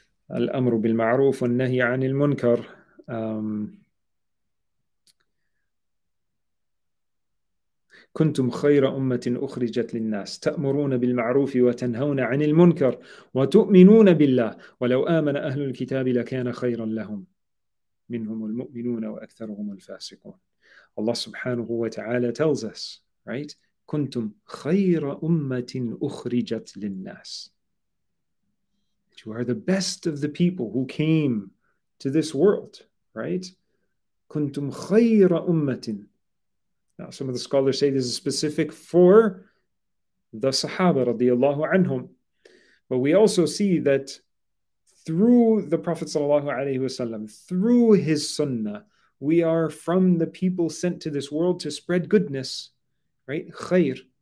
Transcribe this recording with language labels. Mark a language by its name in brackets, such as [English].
[Arabic] الْأَمْرُ بِالْمَعْرُوفِ وَالنَّهِي عَنِ الْمُنْكَرِ كنتم خير أمة أخرجت للناس تأمرون بالمعروف وتنهون عن المنكر وتؤمنون بالله ولو آمن أهل الكتاب لكان خيرا لهم منهم المؤمنون وأكثرهم الفاسقون. [English] Allah سبحانه وتعالى tells us, right? [Arabic] كنتم خير أمة أخرجت للناس. [English] You are the best of the people who came to this world, right? [Arabic] كنتم خير أمة. [English] Now, some of the scholars say this is specific for the Sahaba radiallahu anhum. But we also see that through the Prophet sallallahu alayhi wa sallam, through his sunnah, we are from the people sent to this world to spread goodness, right? Khair.